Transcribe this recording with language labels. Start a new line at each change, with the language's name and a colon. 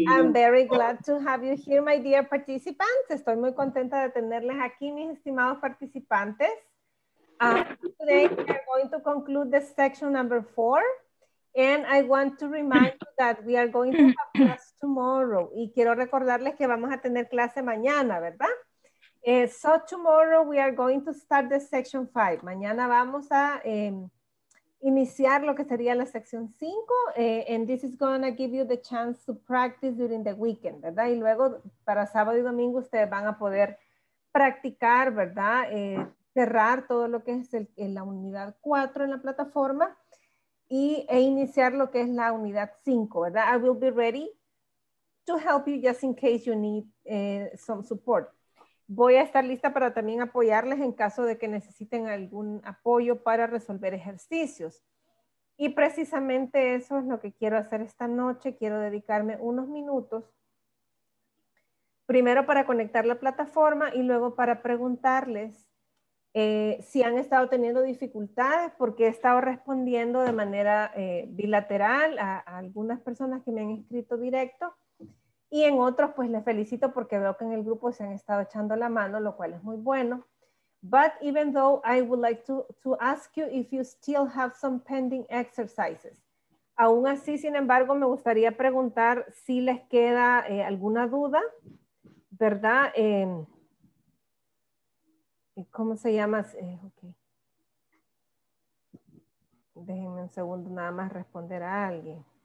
English: I'm very glad to have you here, my dear participants.
Spanish: Estoy muy contenta de tenerles aquí, mis estimados participantes.
English: Today, we're going to conclude the section number 4. And I want to remind you that we are going to have class tomorrow.
Spanish: Y quiero recordarles que vamos a tener clase mañana, ¿verdad?
English: So tomorrow we are going to start the section 5.
Spanish: Mañana vamos a iniciar lo que sería la sección 5.
English: And this is going to give you the chance to practice during the weekend, ¿verdad?
Spanish: Y luego para sábado y domingo ustedes van a poder practicar, ¿verdad? Cerrar todo lo que es la unidad 4 en la plataforma e iniciar lo que es la unidad 5, ¿verdad?
English: I will be ready to help you just in case you need some support.
Spanish: Voy a estar lista para también apoyarles en caso de que necesiten algún apoyo para resolver ejercicios. Y precisamente eso es lo que quiero hacer esta noche. Quiero dedicarme unos minutos. Primero para conectar la plataforma y luego para preguntarles si han estado teniendo dificultades porque he estado respondiendo de manera bilateral a algunas personas que me han escrito directo. Y en otros, pues les felicito porque veo que en el grupo se han estado echando la mano, lo cual es muy bueno.
English: But even though I would like to ask you if you still have some pending exercises.
Spanish: Aún así, sin embargo, me gustaría preguntar si les queda alguna duda, ¿verdad? ¿Cómo se llama? Okay. Déjenme un segundo nada más responder a alguien.